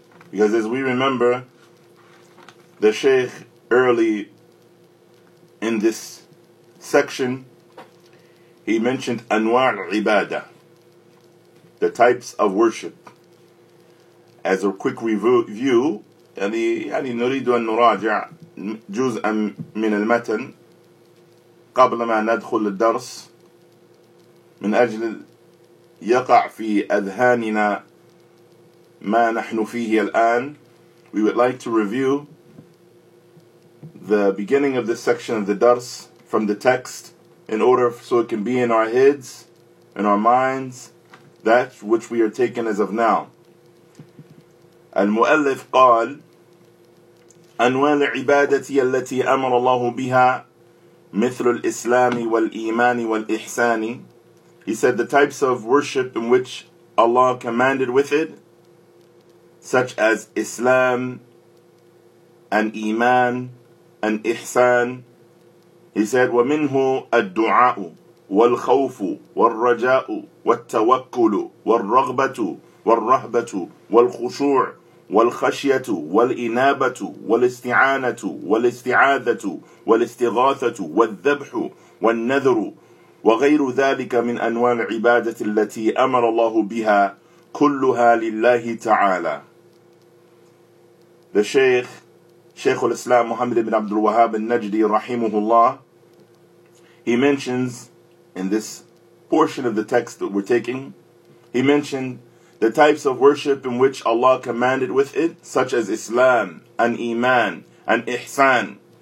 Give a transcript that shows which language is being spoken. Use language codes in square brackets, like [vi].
[en] Because as we remember, the Shaykh early in this section, he mentioned Anwa' al-Ibadah, the types of worship. As a quick review, [ar] يعني نريد أن نراجع جزءا من المتن قبل ما ندخل الدرس من أجل يقع في أذهاننا ما نحن فيه الآن. [en] We would like to review the beginning of this section of the درس from the text in order so it can be in our heads, in our minds, that which we are taking as of now. [ar] المؤلف قال أنواع العبادة التي أمر الله بها مثل الإسلام والإيمان والإحسان. [en] He said the types of worship in which Allah commanded with it, such as Islam and Iman and Ihsan. He said [ar] ومنه الدعاء والخوف والرجاء والتوكل والرغبة والرهبة والخشوع والخشية والإنابة والاستعانة والاستعاذة والاستغاثة والذبح والنذر وغير ذلك من أنواع العبادة التي أمر الله بها كلها لله تعالى. [en] The Shaykh, Shaykh al-Islam Muhammad ibn Abdul Wahhab al-Najdi rahimahullah, he mentions in this portion of the text that we're taking, he mentioned the types of worship in which Allah commanded with it, such as Islam and Iman and Ihsan.